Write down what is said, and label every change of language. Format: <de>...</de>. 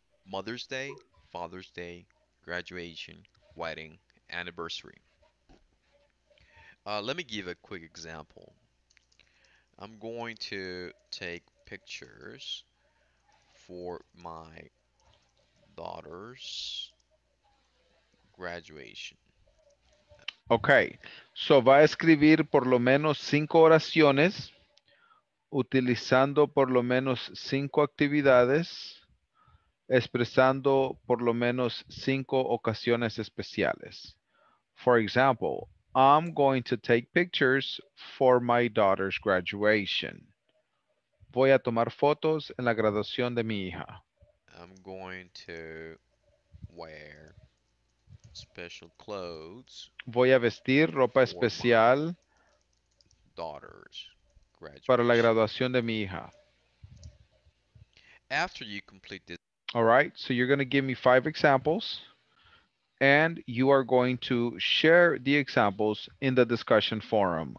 <en>Mother's Day, Father's Day, graduation, wedding, anniversary. Let me give a quick example. I'm going to take pictures for my daughter's graduation.</en> <es>Okay, so va a escribir por lo menos 5 oraciones utilizando por lo menos 5 actividades, expresando por lo menos 5 ocasiones especiales.</es> <en>For example, I'm going to take pictures for my daughter's graduation.</en> <es>Voy a tomar fotos en la graduación de mi hija.</es> <en>I'm going to wear special clothes.</en> <es>Voy a vestir ropa especial para la graduación de mi hija.</es> <en>After you complete this. All right, so you're going to give me 5 examples and you are going to share the examples in the discussion forum.</en>